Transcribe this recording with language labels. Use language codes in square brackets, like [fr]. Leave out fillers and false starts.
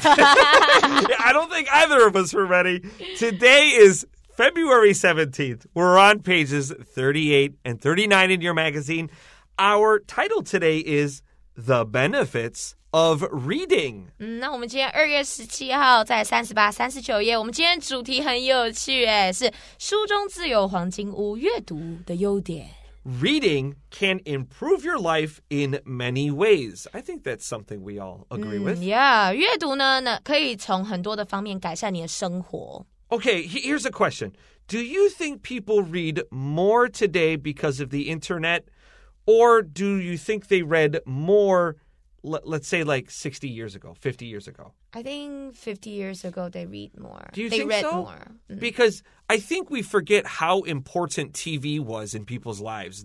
[en] I don't think either of us were ready. Today is February 17th. We're on pages 38 and 39 in your magazine. Our title today is The Benefits of Reading. [zh] 那我们今天2月17号在38、39页，我们今天主题很有趣耶，是书中自有黄金屋，阅读的优点。 [en] Reading can improve your life in many ways. I think that's something we all agree with. [zh] Yeah, 阅读呢，可以从很多的方面改善你的生活。 [en] Okay, here's a question. Do you think people read more today because of the internet? Or do you think they read more, let's say like 60 years ago, 50 years ago? I think 50 years ago they read more. Do you think so? They read more. Mm-hmm. Because I think we forget how important TV was in people's lives.